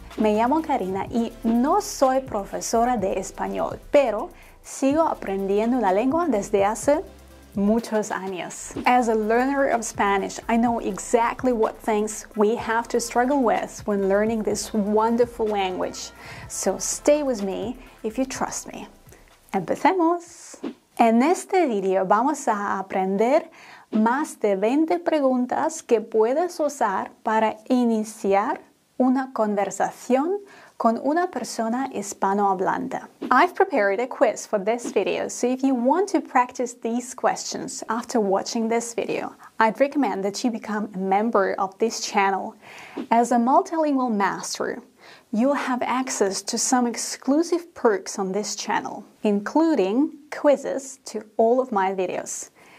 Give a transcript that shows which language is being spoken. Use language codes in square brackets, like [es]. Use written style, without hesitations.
[es] Me llamo Karina y no soy profesora de español, pero sigo aprendiendo la lengua desde hace muchos años. [en] As a learner of Spanish, I know exactly what things we have to struggle with when learning this wonderful language. So stay with me if you trust me. [es] ¡Empecemos! En este video vamos a aprender más de 20 preguntas que puedes usar para iniciar una conversación con una persona hispanohablante. [en] I've prepared a quiz for this video, so if you want to practice these questions after watching this video, I'd recommend that you become a member of this channel. As a multilingual master, you'll have access to some exclusive perks on this channel, including quizzes to all of my videos.